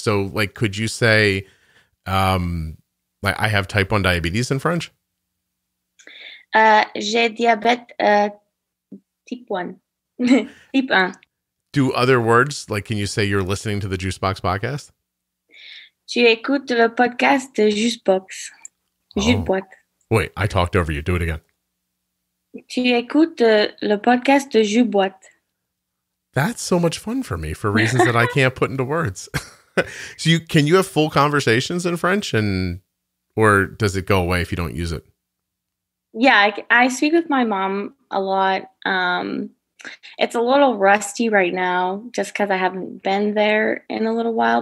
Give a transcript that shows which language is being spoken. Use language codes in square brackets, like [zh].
[en] So like, could you say, I have type 1 diabetes in French? [fr] J'ai diabète type 1. [en] Do other words, like, can you say you're listening to the Juicebox podcast? [fr] Tu écoutes le podcast de Juicebox. Juicebox. [en] Wait, I talked over you. Do it again. [fr] Tu écoutes le podcast de Juicebox. [en] That's so much fun for me for reasons that I can't put into words. So can you have full conversations in French or does it go away if you don't use it? Yeah, I speak with my mom a lot. It's a little rusty right now just because I haven't been there in a little while.